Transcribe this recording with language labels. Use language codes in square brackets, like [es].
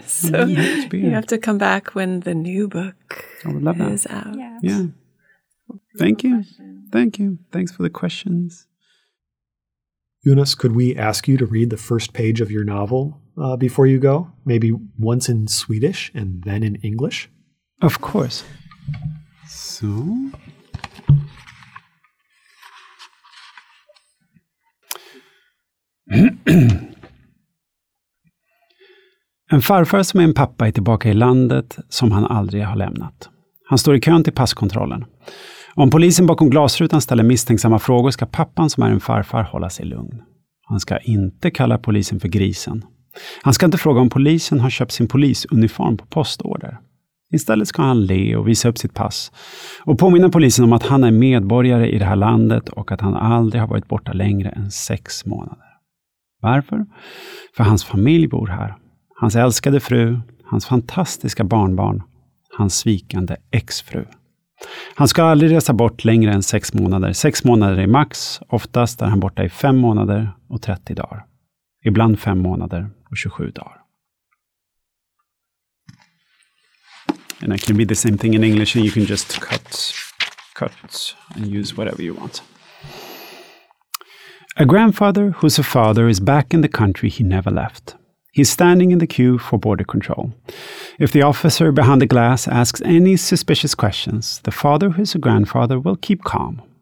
[en] So you have to come back when the new book is out. Yeah. Thank you. Thank you. Thanks for the questions. Yunus, could we ask you to read the first page of your novel before you go? Maybe once in Swedish and then in English? Of course. [sv] So, en farfar som är en pappa är tillbaka i landet som han aldrig har lämnat. Han står i kön till passkontrollen. Om polisen bakom glasrutan ställer misstänksamma frågor ska pappan som är en farfar hålla sig lugn. Han ska inte kalla polisen för grisen. Han ska inte fråga om polisen har köpt sin polisuniform på postorder. Istället ska han le och visa upp sitt pass och påminna polisen om att han är medborgare i det här landet och att han aldrig har varit borta längre än 6 månader. Varför? För hans familj bor här. Hans älskade fru, hans fantastiska barnbarn, hans svikande exfru. Han ska aldrig resa bort längre än 6 månader. 6 månader är max, oftast är han borta i 5 månader och 30 dagar. Ibland 5 månader och 27 dagar. [en] And it can be the same thing in English, and you can just cut and use whatever you want. A grandfather who's a father is back in the country he never left. He's standing in the queue for border control. If the officer behind the glass asks any suspicious questions, the father who's a grandfather will keep calm.